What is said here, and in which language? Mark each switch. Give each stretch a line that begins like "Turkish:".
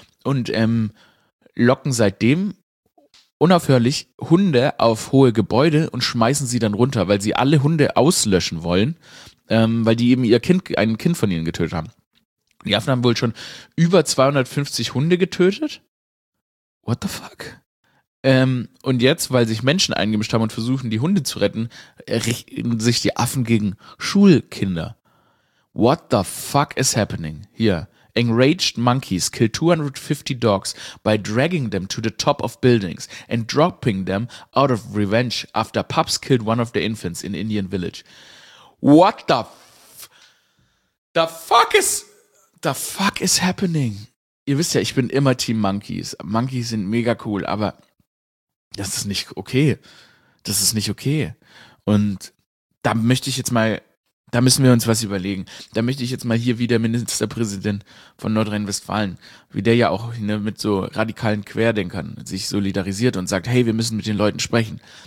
German: Und locken seitdem unaufhörlich Hunde auf hohe Gebäude und schmeißen sie dann runter, weil sie alle Hunde auslöschen wollen, weil die eben ein Kind von ihnen getötet haben. Die Affen haben wohl schon über 250 Hunde getötet.
English: What the fuck?
German: Und jetzt, weil sich Menschen eingemischt haben und versuchen, die Hunde zu retten, richten sich die Affen gegen Schulkinder.
English: What the fuck is happening here? Enraged monkeys kill 250 dogs by dragging them to the top of buildings and dropping them out of revenge after pups killed one of their infants in Indian village. What the fuck is happening?
German: Ihr wisst ja, ich bin immer Team Monkeys. Monkeys sind mega cool, aber das ist nicht okay. Das ist nicht okay. Und da möchte ich jetzt mal, da müssen wir uns was überlegen. Da möchte ich jetzt mal hier, wie der Ministerpräsident von Nordrhein-Westfalen, wie der ja auch, ne, mit so radikalen Querdenkern sich solidarisiert und sagt, hey, wir müssen mit den Leuten sprechen.